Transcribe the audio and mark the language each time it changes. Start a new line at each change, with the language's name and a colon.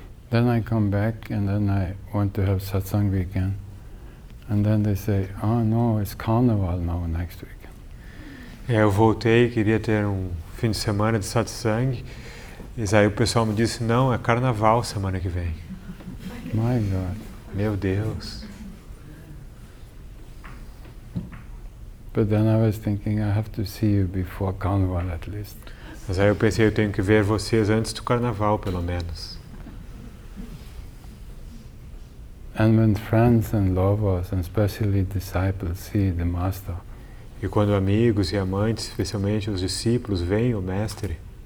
English: Then I come back and then I want to have satsang weekend. And then they say, oh no, it's carnival now next week.
Portuguese: Eu voltei, queria ter fim de semana de satsang. E aí o pessoal me disse, não, é carnaval semana que vem.
English: My God.
Portuguese: Meu Deus.
English: But then I was thinking I have to see you before Carnival at least.
Portuguese: Mas aí eu pensei, eu tenho que ver vocês antes do Carnaval, pelo menos.
English: And when friends and lovers, and especially disciples, see the master.
Portuguese: E quando amigos e amantes, especialmente os discípulos, veem o mestre,